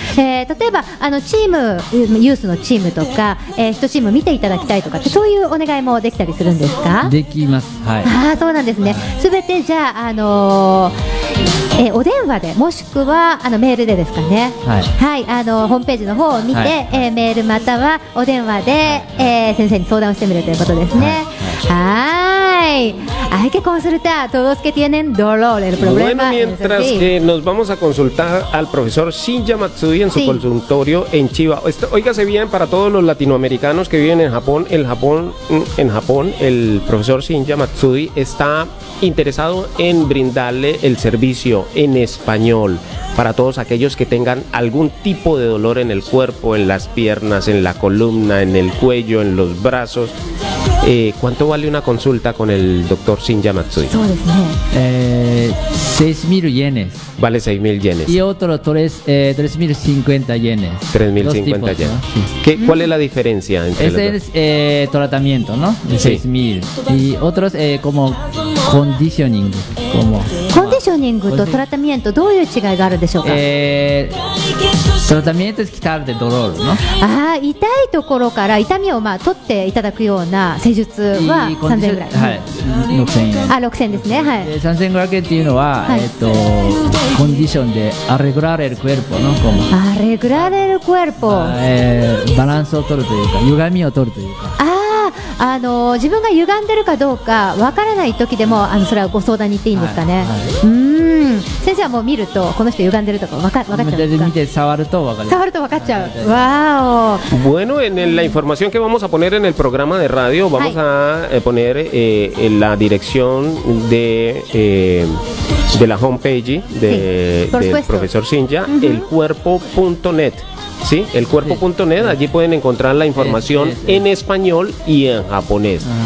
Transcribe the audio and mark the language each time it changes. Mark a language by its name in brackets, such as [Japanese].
[Japanese] 例えばあのチームユースのチームとか、一チーム見ていただきたいとかって、そういうお願いもできたりするんですか？できます、はい。あ、そうなんですね。全てじゃあ、お電話でもしくはあのメールでですかね、はい、はい、ホームページの方を見て、はい、メールまたはお電話で、はい、先生に相談をしてみるということですね。はい、はい、 [Spanish] hay que consultar todos que tienen dolor el problema. Bueno, mientras que nos vamos a consultar al profesor Shinya Matsui en su consultorio en Chiba. Esto, oígase bien, para todos los latinoamericanos que viven en Japón, el profesor Shinya Matsui está interesado en brindarle el servicio en español para todos aquellos que tengan algún tipo de dolor en el cuerpo, en las piernas, en la columna, en el cuello, en los brazos. ¿Cuánto vale una consulta con el doctor Shinya Matsui? 6.000 yenes. Vale 6.000 yenes. Y otro 3.050 yenes. 3.050 yenes. ¿No? Sí. ¿Qué, ¿cuál es la diferencia entre ese los dos? Ese es tratamiento, ¿no? 6.000. Sí. Y otros como conditioning. Como, conditioning y tratamiento, ¿cuál es la diferencia entre los dos? Tratamiento es quitar el dolor, ¿no? [Japanese] Ah, 痛いところから痛みをまあ取っていただくような施術は3000ぐらい。はい、6000円。あ、6000ですね。はい。 3000ぐらいっていうのは、はい、コンディションでアレグラレルクエルポの、この。アレグラレルクエルポ。バランスを取るというか、歪みを取るというか。自分が歪んでるかどうかわからない時でも、それはご相談に行っていいんですかね。はいはい、先生はもう見るとこの人歪んでるとか分かっちゃうんですか？見て触ると分かる。触ると分かっちゃう。わーお。 [Spanish] Bueno, en la información que vamos a poner en el programa de radio, vamos a poner la dirección de la homepage del profesor Shinya, elcuerpo.net. Sí, elcuerpo.net, allí pueden encontrar la información en español y en japonés.